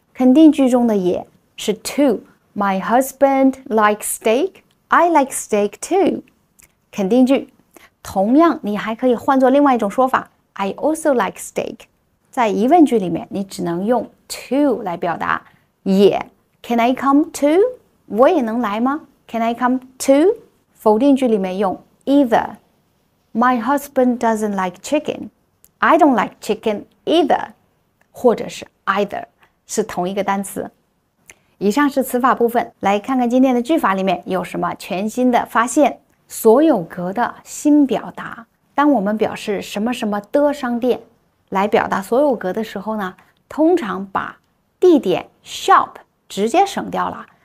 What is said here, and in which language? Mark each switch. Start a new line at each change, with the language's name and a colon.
Chinese: 肯定句中的也是 to。
English: My husband likes steak. I like steak too.
Chinese: 肯定句。同样，你还可以换作另外一种说法。
English: I also like steak.
Chinese: 在疑问句里面，你只能用 to 来表达。
English: Yeah, can I come too?
Chinese: 我也能来吗 ？
English: Can I come too?
Chinese: 否定句里面用 either.
English: My husband doesn't like chicken. I don't like chicken either.
Chinese: 或者是 either 是同一个单词。以上是词法部分，来看看今天的句法里面有什么全新的发现。所有格的新表达。当我们表示什么什么的商店，来表达所有格的时候呢，通常把地点 shop 直接省掉了。